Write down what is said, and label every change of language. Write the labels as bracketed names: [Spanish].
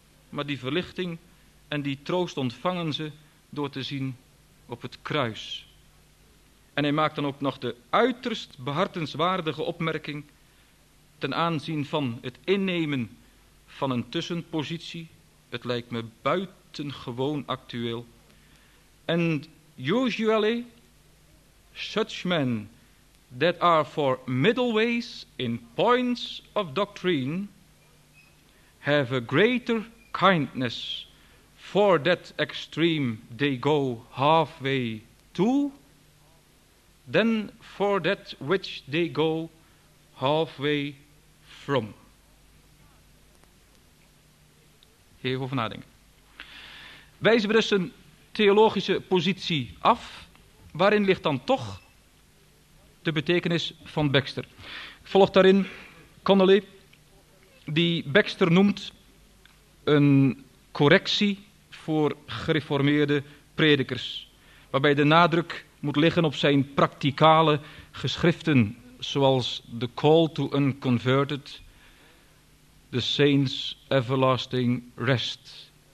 [Dutch] Maar die verlichting en die troost ontvangen ze door te zien op het kruis. En hij maakt dan ook nog de uiterst behartenswaardige opmerking ten aanzien van het innemen van een tussenpositie. Het lijkt me buitengewoon actueel. [English] And usually such men that are for middleways in points of doctrine have a greater kindness for that extreme they go halfway to than for that which they go halfway from. [Dutch] Even over nadenken. Wijzen we dus een theologische positie af, waarin ligt dan toch de betekenis van Baxter? Ik volg daarin Connolly, die Baxter noemt een correctie voor gereformeerde predikers, waarbij de nadruk moet liggen op zijn practicale geschriften, zoals The Call to Unconverted, The Saints' Everlasting Rest.